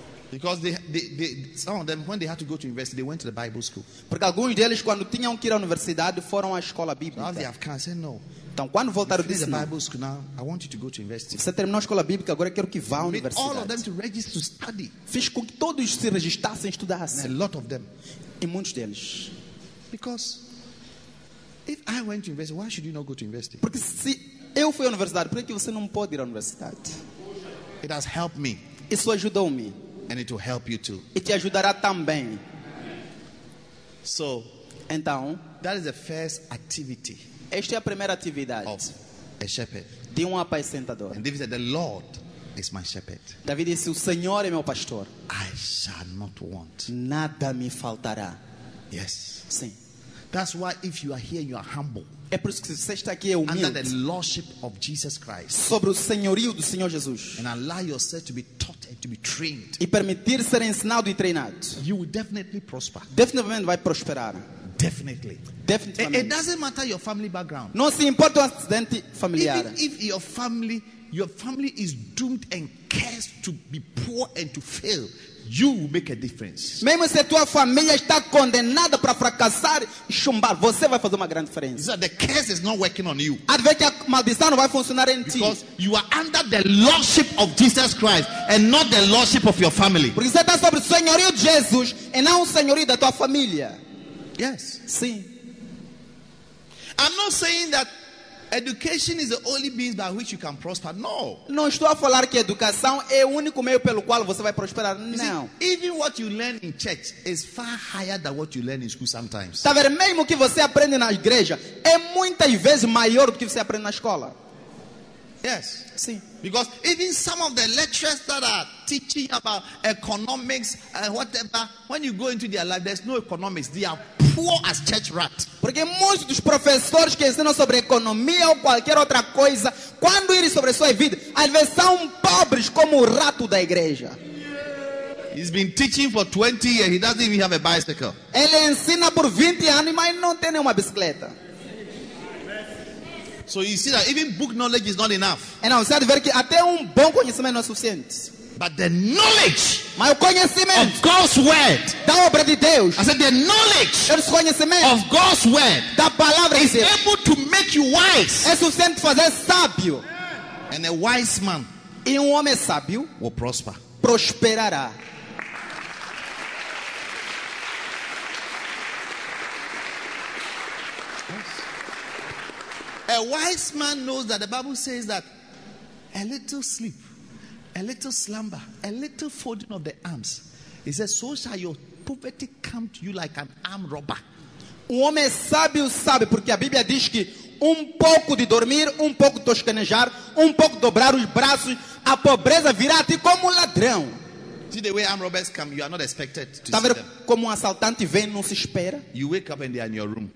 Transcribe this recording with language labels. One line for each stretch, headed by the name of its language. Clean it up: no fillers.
English: Because some of them, when they had to go to university, they went to the Bible school.
Portuguese: Porque alguns deles, quando tinham que ir à universidade, foram à escola bíblica.
English: Now they have come, I said no.
Portuguese: Então, quando voltaram, disse,
English: the Bible school now, I want you to go to university.
Portuguese: Você terminou a escola bíblica, agora eu quero que vá à universidade.
English: All of them to register to study.
Portuguese: Fiz com que todos se registrassem e estudassem.
English: A lot of them.
Portuguese: E muitos deles.
English: Because if I went to university, why should you not go to university?
Portuguese: Porque se eu fui à universidade, por que você não pode ir à universidade?
English: It has helped me.
Portuguese: Isso ajudou-me.
English: And it will help you too.
Portuguese: E te ajudará também.
English: So,
Portuguese: então,
English: that is the first activity.
Portuguese: Esta é a primeira atividade.
English: Of a shepherd.
Portuguese: De um apacentador.
English: And David said, "The Lord is my shepherd."
Portuguese: David disse, "O Senhor é meu pastor."
English: I shall not want.
Portuguese: Nada me faltará.
English: Yes.
Portuguese: Sim.
English: That's why if you are here, you are humble.
Portuguese: É por isso que você está aqui, é humilde.
English: Under the lordship of Jesus Christ.
Portuguese: Sobre o senhorio do Senhor Jesus.
English: And allow yourself to be taught and to be trained.
Portuguese: E permitir ser ensinado e treinado.
English: You will definitely prosper.
Portuguese: Definitivamente vai prosperar.
English: Definitely.
Portuguese: Definitivamente.
English: It doesn't matter your family background.
Portuguese: Não se importa o acidente familiar.
English: Even if your family is doomed and cursed to be poor and to fail, you will make a difference.
Portuguese: Mesmo se tua família está condenada para fracassar e chumbar, você vai fazer uma grande diferença.
English: So the curse is not working on you.
Portuguese: Adverte, a maldição não vai funcionar em ti.
English: Because you are under the lordship of Jesus Christ and not the lordship of your family.
Portuguese: Porque você está sob o senhorio de Jesus e não o senhorio da tua família.
English: Yes.
Portuguese: Sim.
English: I'm not saying that education is the only means by which you can prosper. No.
Portuguese: Não estou a falar que educação é o único meio pelo qual você vai prosperar. Não.
English: See, even what you learn in church is far higher than what you learn in school sometimes.
Portuguese: Tá vendo? Mesmo que você aprende na igreja é muitas vezes maior do que você aprende na escola.
English: Yes.
Portuguese: Sim.
English: Because even some of the lecturers that are teaching about economics and whatever, when you go into their life, there's no economics. They are poor as church rats.
Portuguese: Porque muitos dos professores que ensinam sobre economia ou qualquer outra coisa, quando eles sobre sua vida, às vezes são pobres como o rato da igreja.
English: He's been teaching for 20 years. He doesn't even have a bicycle.
Portuguese: Ele ensina por 20 anos, mas não tem nenhuma bicicleta.
English: So you see that even book knowledge is not enough. And I said very clear,
Portuguese: até bom conhecimento não é suficiente.
English: But the knowledge,
Portuguese: my conhecimento,
English: of God's word,
Portuguese: da obra de Deus.
English: I said the knowledge,
Portuguese: é conhecimento,
English: of God's word,
Portuguese: da palavra
English: is
Portuguese: dizer,
English: able to make you wise.
Portuguese: É suficiente fazer sábio.
English: And a wise man,
Portuguese: e homem sábio,
English: will prosper.
Portuguese: Prosperará.
English: A wise man knows that the Bible says that a little sleep, a little slumber, a little folding of the arms, he says, so shall your poverty come to you like an armed robber.
Portuguese: O homem sábio sabe, porque a Bíblia diz que pouco de dormir, pouco de tosquenejar, pouco de dobrar os braços, a pobreza virá a ti como ladrão.
English: See the way armed robbers come, you are not expected to
Portuguese: tá
English: see them.
Portuguese: Como assaltante vem, não se espera.
English: You wake up and they are in your room.